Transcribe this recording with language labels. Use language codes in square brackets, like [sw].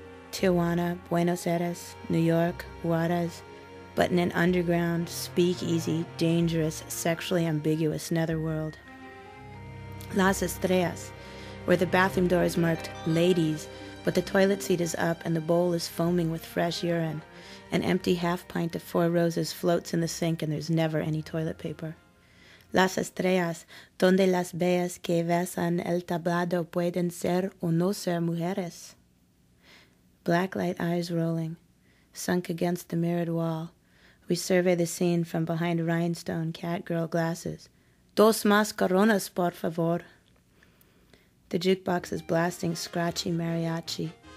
[en] Tijuana, Buenos Aires, New York, Juarez, but in an underground, speakeasy, dangerous, sexually ambiguous netherworld. Las Estrellas, where the bathroom door is marked ladies, but the toilet seat is up and the bowl is foaming with fresh urine. An empty half pint of Four Roses floats in the sink and there's never any toilet paper. [es] Las Estrellas, donde las bellas que besan el tablado pueden ser o no ser mujeres. [en] Blacklight eyes rolling, sunk against the mirrored wall. We survey the scene from behind rhinestone catgirl glasses. Dos mascaronas, por favor. The jukebox is blasting scratchy mariachi.